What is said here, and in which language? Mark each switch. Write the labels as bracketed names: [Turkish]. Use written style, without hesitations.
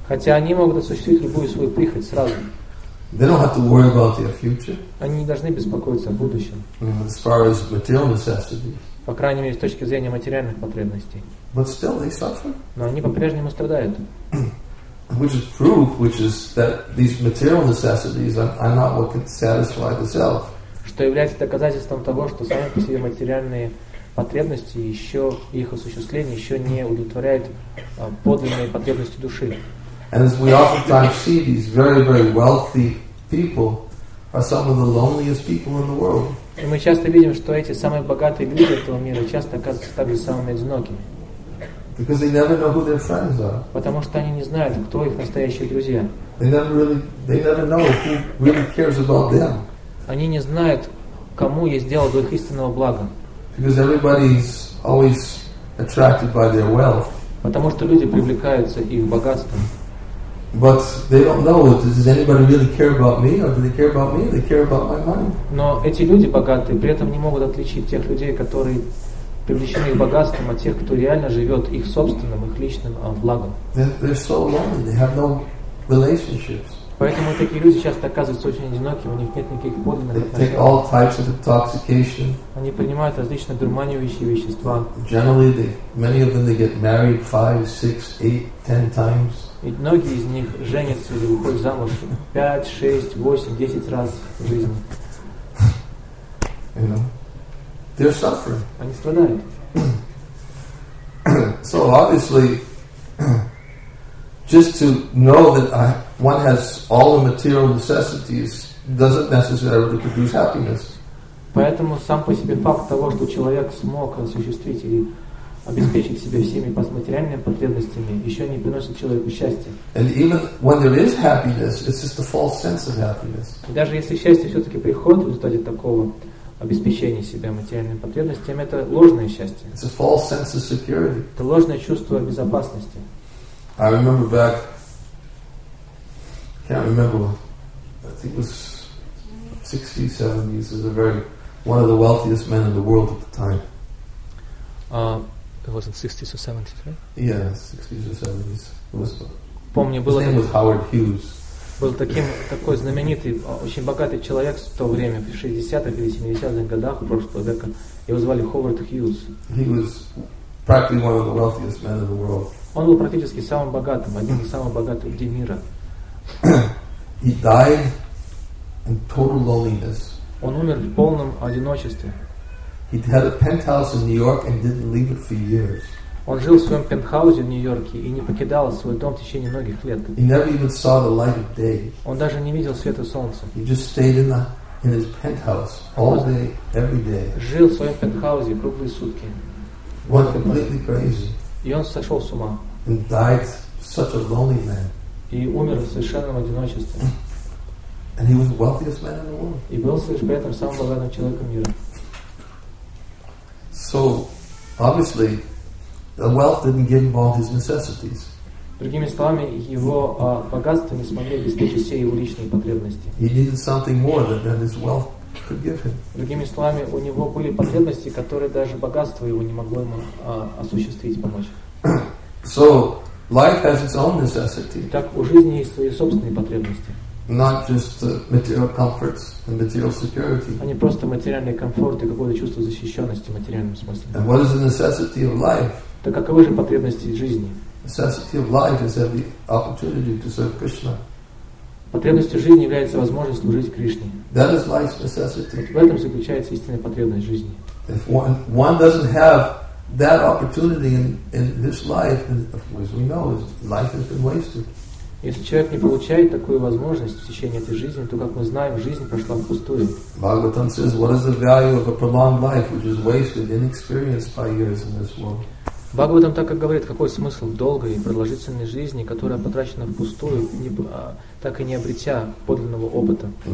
[Russian] Хотя они могут осуществить любую свою прихоть сразу. [English] They don't have to worry about their future. [Russian] Они не должны беспокоиться о будущем. [English] As far as material necessities. [Russian] По крайней мере, с точки зрения материальных потребностей. [English] But still they suffer. [Russian] Но они по-прежнему страдают. [English] Which is proof, which is that these material necessities are not what can satisfy the self. [Russian] Что является доказательством того, что сами по себе материальные потребности, еще их осуществление еще не удовлетворяет подлинные потребности души. [English] And as we oftentimes see, these very, very wealthy people are some of the loneliest people in the world. [Russian] И мы часто видим, что эти самые богатые люди этого мира часто оказываются также самыми одинокими. [English] Because they never know who their friends are. [Russian] Потому что они не знают, кто их настоящие друзья. [English] They never know who really cares about them. [Russian] Они не знают, кому есть дело до их истинного блага. [English] Because everybody is always attracted by their wealth. [Russian] Потому что люди привлекаются их богатством. [English] But they don't know, does anybody really care about me, or do they care about me? They care about my money. [Russian] Но эти люди богатые, при этом не могут отличить тех людей, которые привлечены их богатством, от тех, кто реально живет их собственным, их личным благом. [English] They're so lonely. They have no relationships. [Russian] Поэтому такие люди часто оказываются очень одинокими, у них нет никаких подлинных отношений. [English] They take all types of intoxication. [Russian] Они принимают различные дурманивающие вещества. [English] Generally, many of them they get married 5, 6, 8, 10 times. [Russian] И многие из них женятся или выходят замуж 5, 6, 8, 10 раз в жизни. [English] You know, they're suffering. [Russian] Они страдают. [English] So obviously, just to know that one has all the material necessities doesn't necessarily produce happiness. [Russian] Поэтому сам по себе факт того, что человек смог осуществить или обеспечить себе всеми материальными потребностями, еще не приносит человеку счастья. [English] And even when there is happiness, it's just a false sense of happiness. [Russian] И даже если счастье все-таки приходит в результате такого обеспечения себя материальными потребностями, это ложное счастье. [English] It's a false sense of security. [Russian] Это ложное чувство безопасности. [English] I remember back, can't remember, I think it was 60s, 70s, it was one of the wealthiest men in the world at the time. It was in 60s or 70s, right? Yeah, 60s or 70s. His name was Howard Hughes. [Russian] Был такой знаменитый, очень богатый человек в то время, в 60-х или 70-х годах прошлого века. Его звали Howard Hughes. [English] He was practically one of the wealthiest men in the world. [Russian] Он был практически самым богатым, одним из самых богатых людей мира. [English] He died in total loneliness. [Russian] Он умер в полном одиночестве. [English] He had a penthouse in New York and didn't leave it for years. [Russian] Он жил в своем пентхаусе в Нью-Йорке и не покидал свой дом в течение многих лет. [English] He never even saw the light of day. [Russian] Он даже не видел света солнца. [English] He just stayed in his penthouse all day, every day. [Russian] Жил в своем пентхаусе круглые сутки. [English] Went completely crazy. [Russian] И он сошел с ума. [English] And died such a lonely man. [Russian] И умер в совершенном одиночестве. [English] And he was the wealthiest man in the world. [Russian] И был лишь при этом самым богатым человеком мира. [English] So, obviously, the wealth didn't give him all his necessities. [Russian] Другими словами, его богатство не смогли обеспечить все его личные потребности. [English] He needed something more than his wealth could give him. [Russian] Другими словами, у него были потребности, которые даже богатство его не могло ему осуществить, помочь. [English] So, Life has its own necessity. [Russian] Так у жизни есть свои собственные потребности. [English] Not just material comforts and material security. [Russian] А не просто материальный комфорт и какое-то чувство защищенности в материальном смысле. [English] And what is the necessity of life? [Russian] Так каковы же потребности жизни? [English] Necessity of life is the opportunity to serve Krishna. [Russian] Потребностью жизни является возможность служить Кришне. [English] That is life's necessity. [Russian] Вот в этом заключается истинная потребность жизни. [English] If one doesn't have that opportunity in this life, then of course we know life has been wasted. [Russian] Если человек не получает такую возможность в течение этой жизни, то, как мы знаем, жизнь прошла впустую. [English] Bhagavatam says, what is the value of a prolonged life which is wasted inexperienced by years in this world? [Russian] Бхагаватам так и говорит, какой смысл в долгой и продолжительной жизни, которая потрачена впустую, так и не обретя подлинного опыта.